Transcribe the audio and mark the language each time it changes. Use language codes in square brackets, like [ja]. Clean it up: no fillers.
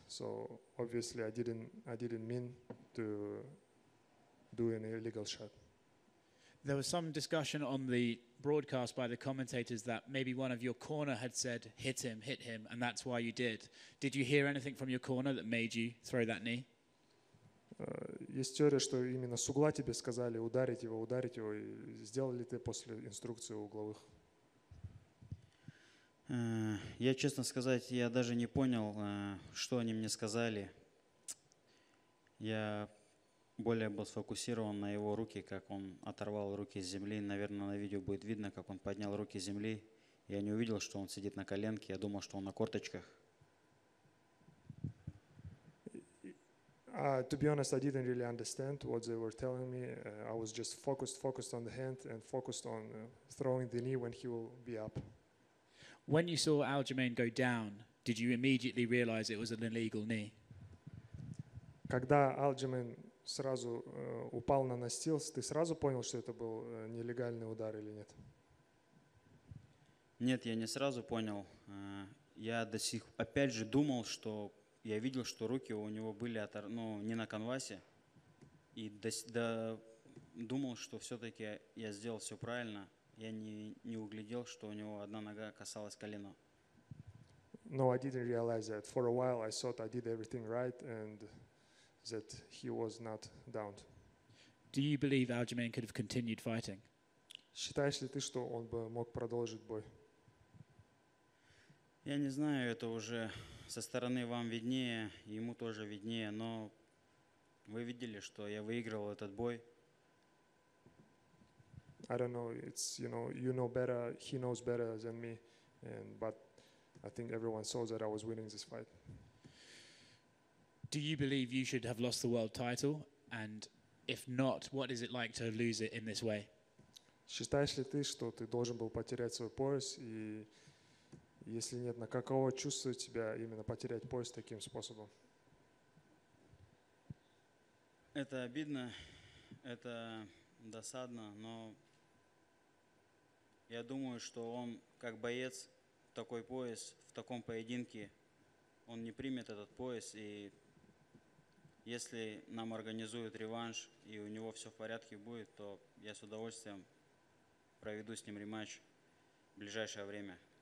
[en] So obviously I didn't mean to do an illegal shot. There was some discussion on the broadcast by the commentators that maybe one of your corner had said, hit him, and that's why you did. Did you hear anything from your corner that made you throw that knee? [ru] Есть теория, что именно с угла тебе сказали ударить его, и сделали ты после инструкции угловых? Я, честно сказать, я даже не понял, что они мне сказали. Я более был сфокусирован на его руки, как он оторвал руки с земли. Наверное, на видео будет видно, как он поднял руки с земли. Я не увидел, что он сидит на коленке. Я думал, что он на корточках. [en] To be honest, I didn't really understand what they were telling me. I was just focused on the hand and focused on throwing the knee when he will be up. When you saw Aljamain go down, did you immediately realize it was an illegal knee? [ru] Когда Aljamain сразу упал на настил, ты сразу понял, что это был нелегальный удар или нет? Нет, я не сразу понял. Я до сих пор опять же думал, что я видел, что руки у него были не на конвасе, и думал, что все-таки я сделал все правильно. Я не углядел, что у него одна нога касалась колена. [en] No, I didn't realize that. For a while I thought I did everything right and that he was not downed. Do you believe Aljamain could have continued fighting? [ru] Считаешь ли ты, что он бы мог продолжить бой? Я не знаю, это уже со стороны вам виднее, ему тоже виднее, но вы видели, что я выигрывал этот бой. [en] I don't know, it's, you know better, he knows better than me, but I think everyone saw that I was winning this fight. Do you believe you should have lost the world title? And if not, what is it like to lose it in this way? [ru] Считаешь ли ты, что ты должен был потерять свой пояс? И если нет, на каково чувствует тебя именно потерять пояс таким способом? Это обидно, это досадно, но я думаю, что он, как боец, такой пояс, в таком поединке, он не примет этот пояс, и если нам организуют реванш, и у него все в порядке будет, то я с удовольствием проведу с ним рематч в ближайшее время.